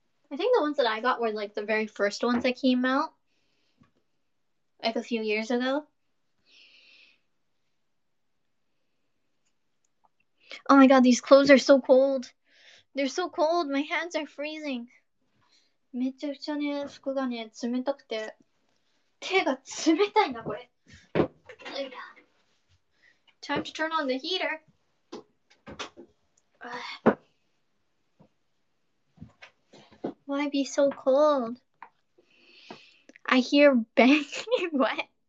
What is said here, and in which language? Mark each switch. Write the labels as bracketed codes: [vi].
[en] I think the ones that I got were like the very first ones that came out. Like a few years ago. Oh my god, these clothes are so cold. They're so cold. My hands are freezing. [ja] めちゃくちゃね、服がね、冷たくて手が冷たいな、これ。 [en] Time to turn on the heater. Why be so cold? I hear banging. What?